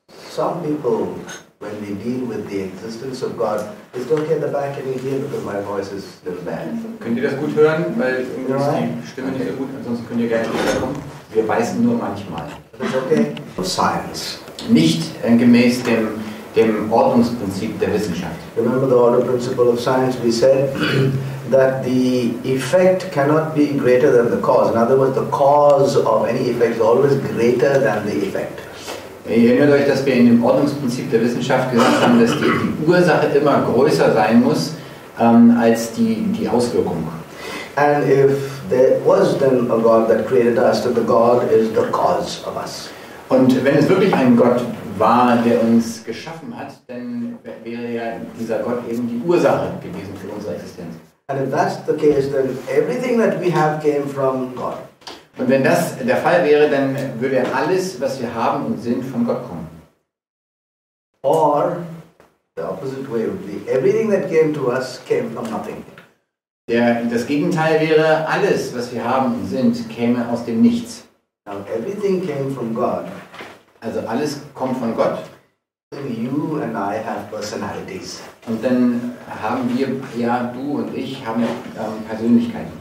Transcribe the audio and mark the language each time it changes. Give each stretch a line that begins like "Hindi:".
English: Some people, when they deal with the existence of God, is it okay in the back any here because my voice is a little bad?
German: Könnt ihr das gut hören? Weil irgendwie ist die Stimme nicht so gut, ansonsten könnt ihr gerne hinkommen. Wir beißen nur manchmal.
English: It's okay. For science.
German: Nicht gemäß dem Ordnungsprinzip der Wissenschaft.
English: Remember the order principle of science? We said that the effect cannot be greater than the cause. In other words, the cause of any effect is always greater than the effect.
German: Ihr erinnert euch, dass wir in dem Ordnungsprinzip der Wissenschaft gesagt haben, dass die Ursache immer größer sein muss als die Auswirkung.
English: And if there was then a God that created us, then the God is the cause of us.
German: Und wenn es wirklich ein Gott war, der uns geschaffen hat, dann wäre ja dieser Gott eben die Ursache gewesen für unsere Existenz.
English: And if that's the case, then everything that we have came from God.
German: Und wenn das der Fall wäre, dann würde alles, was wir haben und sind, von Gott kommen.
English: Or the opposite way would be everything that came to us came from nothing.
German: Das Gegenteil wäre, alles, was wir haben und sind, käme aus dem Nichts.
English: Now everything came from God.
German: Also alles kommt von Gott.
English: Then you and I have personalities.
German: Und dann haben wir, ja, du und ich, haben Persönlichkeiten.